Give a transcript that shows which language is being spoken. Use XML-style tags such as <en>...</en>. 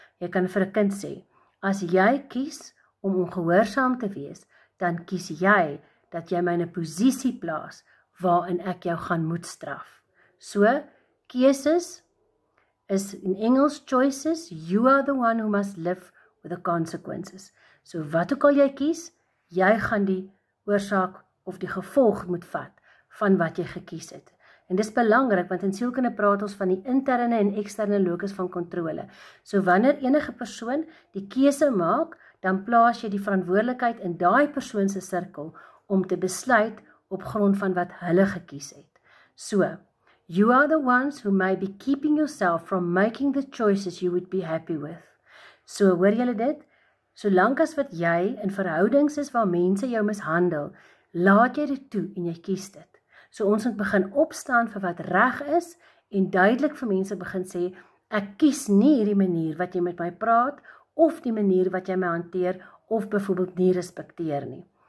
<af>Jy kan vir 'n kind sê, as jy kies om ongehoorsaam te wees, dan kies jy dat jy my in 'n posisie plaas waarin ek jou gaan moet straf.</af> <en>So,</en> <af>keuses is in Engels</af> <en>choices, you are the one who must live with the consequences.</en> <af>So wat ook al jy kies, jy gaan die oorsaak of die gevolg moet vat van wat jy gekies het. En dis belangrik, want in sielkunde praat ons van die interne en eksterne locus van kontrole. So wanneer enige persoon die keuse maak, dan plaas jy die verantwoordelikheid in daai persoon se sirkel om te besluit op grond van wat hulle gekies het.</af> <en>So, you are the ones who may be keeping yourself from making the choices you would be happy with.</en> <af>So, hoor julle dit? Solank as wat jy in verhoudings is waar mense jou mishandel, laat jy dit toe en jy kies dit. So, ons moet begin opstaan vir wat reg is en duidelik vir mense begin sê, ek kies nie hierdie manier wat jy met my praat of die manier wat jy my hanteer of byvoorbeeld nie respekteer nie.</af>